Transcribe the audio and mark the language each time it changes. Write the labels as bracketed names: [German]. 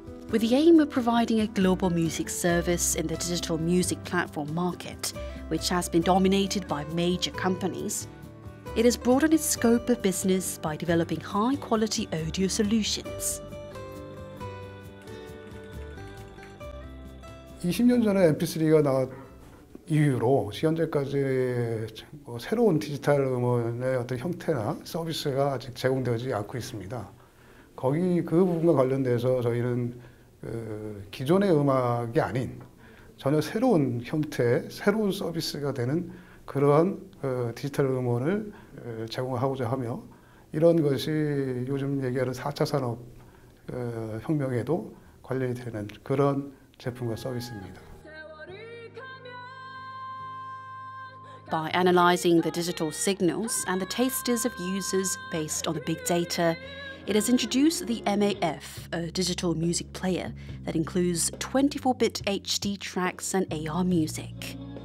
[English] With the aim of providing a global music service in the digital music platform market, which has been dominated by major companies, it has broadened its scope of business by developing high-quality audio solutions. [Korean] 20년 전에 MP3가 나왔 이후로 현재까지 새로운 디지털 음원의 어떤 형태나 서비스가 아직 제공되지 않고 있습니다. 거기 그 부분과 관련돼서 저희는 기존의 음악이 아닌 전혀 새로운 형태의 새로운 서비스가 되는 그러한 디지털 음원을 제공하고자 하며, 이런 것이 요즘 얘기하는 4차 산업 혁명에도 관련이 되는 그런 제품과 서비스입니다. [English] By analyzing the digital signals and the tastes of users based on the big data, it has introduced the MAF, a digital music player that includes 24-bit HD tracks and AR music.